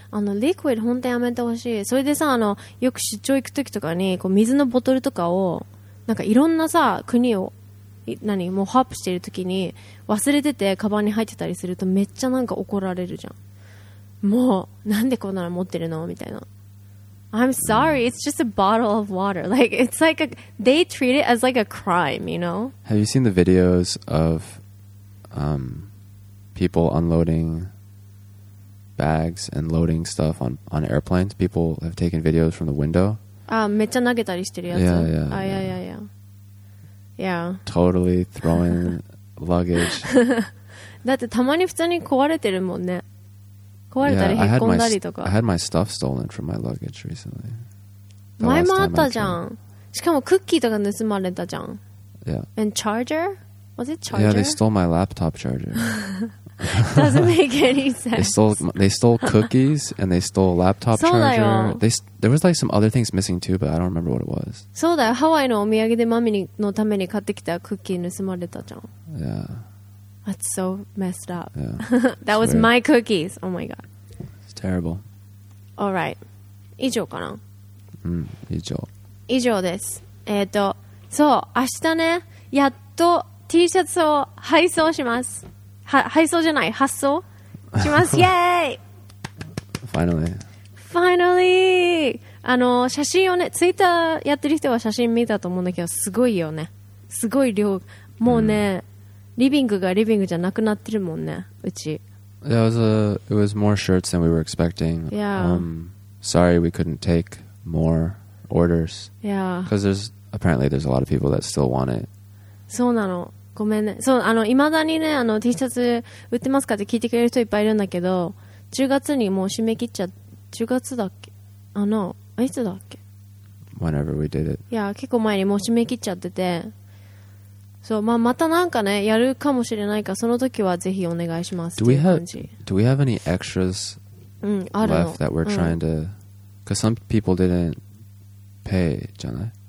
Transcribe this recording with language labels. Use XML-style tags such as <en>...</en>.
<ja>あのリクイド本当にやめてほしい。それでさあのよく出張行くときとかにこう水のボトルとかをなんかいろんなさ国を何もうハープしているときに忘れててカバンに入ってたりするとめっちゃなんか怒られるじゃん。もうなんでこんなの持ってるのみたいな。</ja> <en>I'm sorry, it's just a bottle of water. Like, it's like a... They treat it as like a crime, you know? Have you seen the videos of people unloading bags and loading stuff on airplanes? People have taken videos from the window.</en> <ja>Ah, めっちゃ投げたりしてるやつ。</ja> <en>Yeah, yeah, yeah. Yeah, yeah, yeah. Yeah. Totally throwing luggage.</en> <ja>だってたまに普通に壊れてるもんね。壊れたり引っ込んだりとか。</ja> <en>I had my stuff stolen from my luggage recently.</en> <ja>前もあったじゃん。しかもクッキーとか盗まれたじゃん。</ja> <en>Yeah. And charger? Was it charger? Yeah, they stole my laptop charger. Doesn't make any sense. They stole cookies and they stole a laptop charger. There was like some other things missing too, but I don't remember what it was.</en> <ja>そうだよ。ハワイのお土産でマミのために買ってきたクッキー盗まれたじゃん。</ja> <en>Yeah. That's so messed up. Yeah, that was my cookies. Oh my god. It's terrible. All right.</en> <ja>以上かな。うん、以上。以上です。そう、明日ね、やっと T シャツを配送します。配送じゃない、発送します。イエーイ。</ja> <en>Finally. Finally.</en> <ja>あの、写真をね、Twitter やってる人は写真見たと思うんだけど、すごいよね。すごい量。もうね、リビングがリビングじゃなくなってるもんね、うち。</ja> <en>Yeah, it was more shirts than we were expecting. Yeah. Sorry we couldn't take more orders. Yeah. Because there's apparently a lot of people that still want it.</en> <ja>そうなの。ごめんね。そう、あの、いまだにね、あの、T シャツ売ってますかって聞いてくれる人いっぱいいるんだけど、10月にもう締め切っちゃって、10月だっけ？あの、いつだっけ</ja> <en>？Whenever we did it.</en> <ja>Yeah, 結構前にもう締め切っちゃってて、そう、まあ、またなんかねやるかもしれないかその時はぜひお願いしますっていう感じ</ja> <en>Do we have any extras、left that we're trying to Because some people didn't pay</en> <ja>じゃない</ja>